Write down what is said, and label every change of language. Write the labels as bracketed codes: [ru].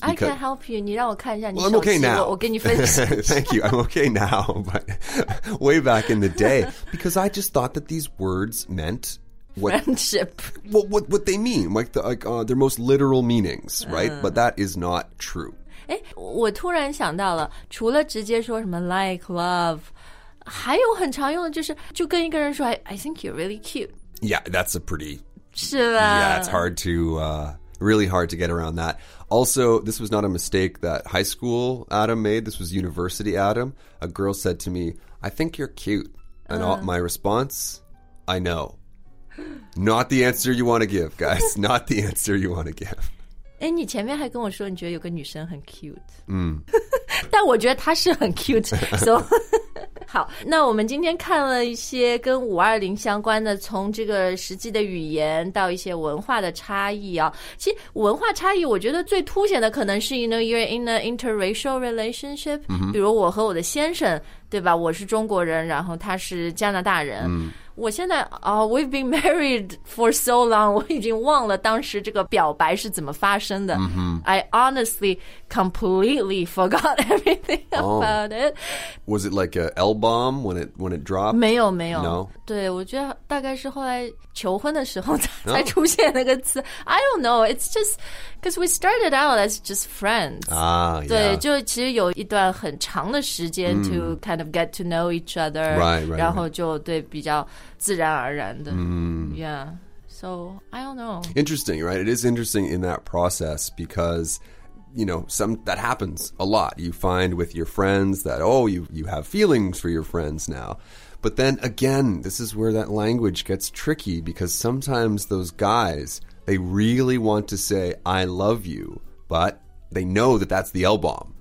[en] I can't help you. [zh] 你让我看一下你手 [en] 机, well, I'm okay now. [zh] 我给你分析。 [en] Thank you. I'm okay now, but way back in the day, because I just thought that these words meant friendship. What they mean, like their most literal meanings, right? But that is not true. [zh] 我突然想到了，除了直接说什么 like, love, 还有很常用的就是就跟一个人说 [en] I think you're really cute. Yeah, that's a pretty... [zh] 是吧？ [en] Yeah, it's hard to... really hard to get around that. Also, this was not a mistake that high school Adam made. This was university Adam. A girl said to me, I think you're cute. And all, my response, I know. Not the answer you want to give, guys. Not the answer you want to give. [zh] 哎，你前面还跟我说你觉得有个女生很 cute. 嗯、mm. 但我觉得她是很 cute. So, 好，那我们今天看了一些跟520相关的，从这个实际的语言到一些文化的差异啊。其实文化差异我觉得最凸显的可能是 [en] you know, you're in an interracial relationship,、 mm-hmm. [zh] 比如我和我的先生，对吧，我是中国人，然后他是加拿大人。嗯、mm. 我现在、 [en] we've been married for so long, [zh] 我已经忘了当时这个表白是怎么发生的。 Mm-hmm. [en] I honestly completely forgot everything about it. Was it like a L-bomb when it dropped? [zh] 没有没有。 [en] No? [zh] 对，我觉得大概是后来求婚的时候 才出现那个词。 [en] I don't know, it's just, because we started out as just friends. 啊、yeah. [zh] 对，就其实有一段很长的时间、mm. [en] to kind of get to know each other. Right, right. [zh] 然后就对比较自然而然的、 mm. [en] Yeah, so I don't know. Interesting, right? It is interesting in that process because, you know, some, that happens a lot. You find with your friends that, oh, you have feelings for your friends now. But then again, this is where that language gets tricky because sometimes those guys, they really want to say, I love you, but they know that that's the L-bomb.